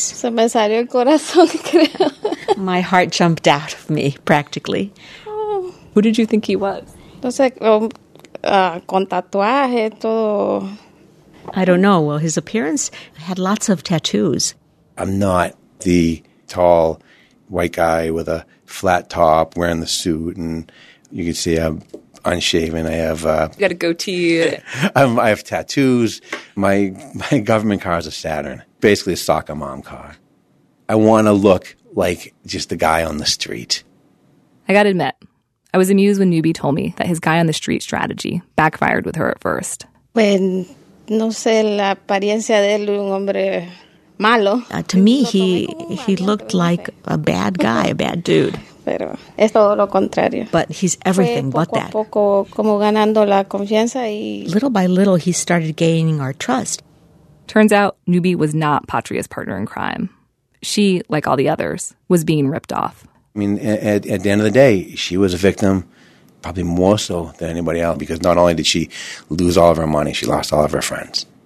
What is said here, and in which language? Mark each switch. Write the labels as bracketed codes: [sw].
[es] Se me salió el corazón, creo. [en] My heart jumped out of me, practically. Who did you think he was? [es] No sé, con tatuaje, todo... [en] I don't know. Well, his appearance had lots of tattoos. I'm not the tall white guy with a flat top wearing the suit. And you can see I'm unshaven. I have... You got a goatee. I have tattoos. My government car is a Saturn. Basically a soccer mom car. I want to look like just the guy on the street. I got to admit, I was amused when Nubi told me that his guy on the street strategy backfired with her at first. When... [es] No sé, la apariencia de él, un hombre malo. [en] To me, he looked like a bad guy, a bad dude. [es] Pero es todo lo contrario. [en] But he's everything [es] poco [en] but that. [es] A poco como ganando la confianza y... [en] Little by little, he started gaining our trust. Turns out, Nubi was not Patria's partner in crime. She, like all the others, was being ripped off. I mean, at the end of the day, she was a victim. Probably more so than anybody else, because not only did she lose all of her money, she lost all of her friends.